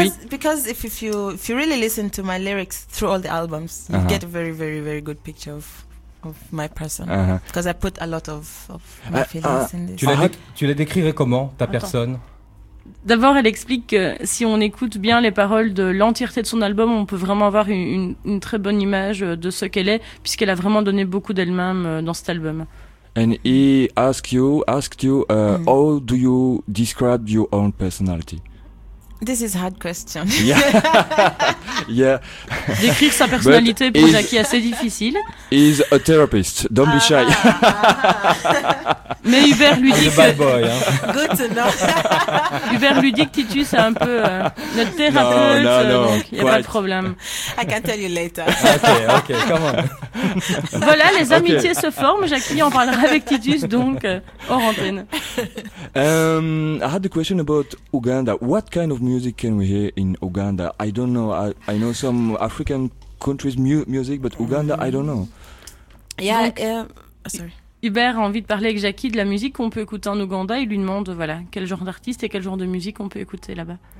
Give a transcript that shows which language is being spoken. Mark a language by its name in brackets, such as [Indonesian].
[English] because if you really listen to my lyrics through all the albums, you get a very very very good picture of my person, because I put a lot of my feelings in this. [French] Tu la décrirais comment, ta personne? D'abord, elle explique que si on écoute bien les paroles de l'entièreté de son album, on peut vraiment avoir une très bonne image de ce qu'elle est, puisqu'elle a vraiment donné beaucoup d'elle-même dans cet album. [English] And he asked you, how do you describe your own personality? This is a hard question. Yeah. Yeah. [French] Décrire sa personnalité but pour Jackie est assez difficile. [English] He's a therapist. Don't be shy. [French] Mais Hubert lui dit que... [English] Bad boy, [French] hein. [English] Good to know. [French] Hubert lui dit que Titus est un peu notre thérapeute. No, donc il n'y a pas de problème. [English] I can tell you later. Okay, come on. [French] Voilà, les amitiés se forment. Jackie en parlera avec Titus, donc, hors antenne. [English] I had a question about Uganda. What kind of music can we hear in Uganda? I don't know. I know some African countries music, but Uganda, I don't know. Yeah, sorry. [French] Hubert a envie de parler avec Jackie de la musique qu'on peut écouter en Uganda. Il lui demande voilà quel genre d'artiste et quel genre de musique on peut écouter là-bas.